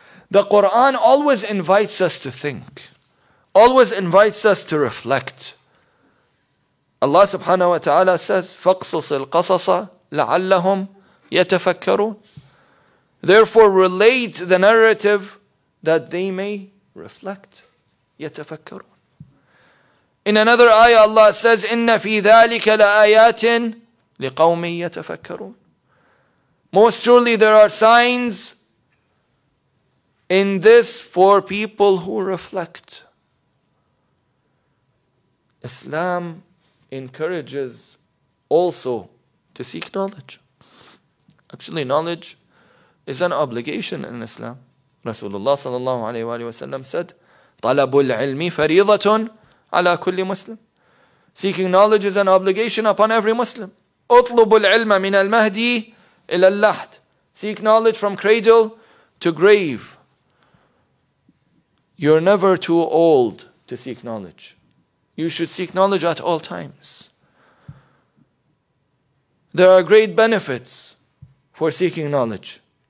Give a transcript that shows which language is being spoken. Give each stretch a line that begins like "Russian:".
English: The Quran always invites us to think, always invites us to reflect. Allah subhanahu wa ta'ala says,
Arabic: فَقْصُصِ الْقَصَصَ لَعَلَّهُمْ يَتَفَكَّرُونَ.
English: Therefore, relate the narrative that they may reflect.
Arabic: يَتَفَكَّرُونَ.
English: In another ayah, Allah says,
Arabic: إِنَّ فِي ذَٰلِكَ لَآيَاتٍ لِقَوْمِ يَتَفَكَّرُونَ.
English: Most surely there are signs in this for people who reflect. Islam encourages also to seek knowledge. Actually, knowledge is an obligation in Islam. Rasulullah sallallahu alayhi wa sallam said,
Arabic: طلب العلم فريضة على كل مسلم.
English: Seeking knowledge is an obligation upon every Muslim.
Arabic: اطلب العلم من المهدي إلى اللحد.
English: Seek knowledge from cradle to grave. You're never too old to seek knowledge. You should seek knowledge at all times. There are great benefits for seeking knowledge.